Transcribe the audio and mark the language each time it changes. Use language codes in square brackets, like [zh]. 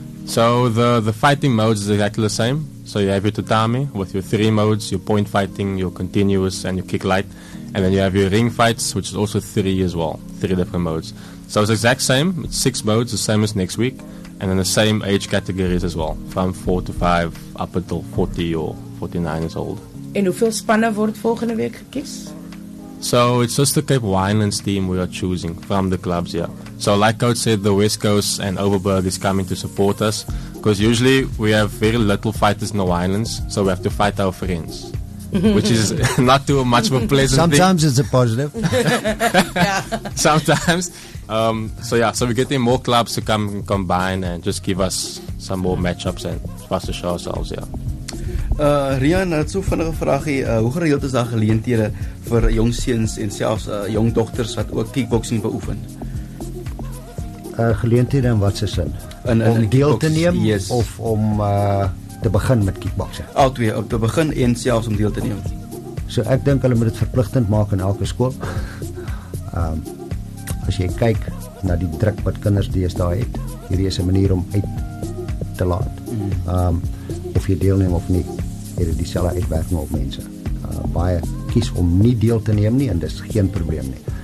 [en] So the fighting modes is exactly the same. So you have your tatami with your three modes, your point fighting, your continuous and your kick light. And then you have your ring fights, which is also three as well, three different modes. So it's exact same, it's six modes, the same as next week. And then the same age categories as well, from 4 to 5 up until 40 or 49 years old. [af] En hoeveel spanne word volgende week gekies? [en] So it's just the Cape Winelands team we are choosing from the clubs, yeah. So like Coach said, the West Coast and Overberg is coming to support us because usually we have very little fighters in the Winelands, so we have to fight our friends, which is not too much of a pleasant sometimes thing. Sometimes it's a positive. Sometimes. So we're getting more clubs to come and combine and just give us some more matchups and for us to show ourselves, yeah. [af] Rian, het so vinnige vraagie, hoe gereeld is daar geleenthede vir jong seuns en selfs jong dogters wat ook kickboxing beoefen? Geleenthede in watse sin? In deel te neem, [en] yes. [af] Of om te begin met kickboxing? Al twee, om te begin en selfs om deel te neem. So ek dink hulle moet dit verpligtend maak in elke skool. As jy kyk na die druk wat kinders deesdae het, hierdie is 'n manier om uit te laat. Of jy deelneem of nie, het die selle uitwerking op mense. Baie kies om nie deel te neem nie, en dis geen probleem nie.